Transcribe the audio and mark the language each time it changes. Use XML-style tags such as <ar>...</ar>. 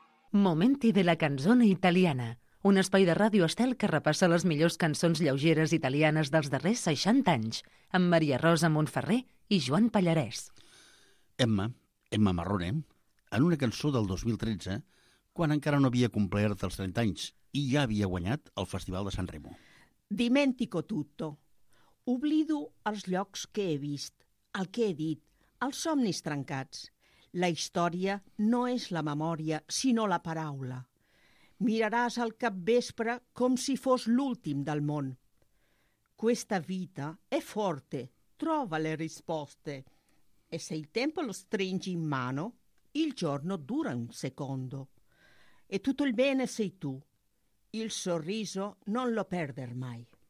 <it>Momenti della canzone italiana.</it> <ca>Un espai de Ràdio Estel que repassa les millors cançons lleugeres italianes dels darrers 60 anys, amb Maria Rosa Montferrer i Joan Pallarès. Emma Marrone, en una cançó del 2013, quan encara no havia complert els 30 anys i ja havia guanyat el Festival de San Remo.</ca> <it>Dimentico tutto.</it> <ca>Oblido els llocs que he vist, el que he dit, els somnis trencats. La història no és la memòria, sinó la paraula. Miraràs al capvespre com si fos l'últim del món.</ca> <it>Questa vita è forte, trova le risposte. E se il tempo lo stringi in mano, il giorno dura un secondo. E tutto il bene sei tu. Il sorriso non lo perder mai.</it>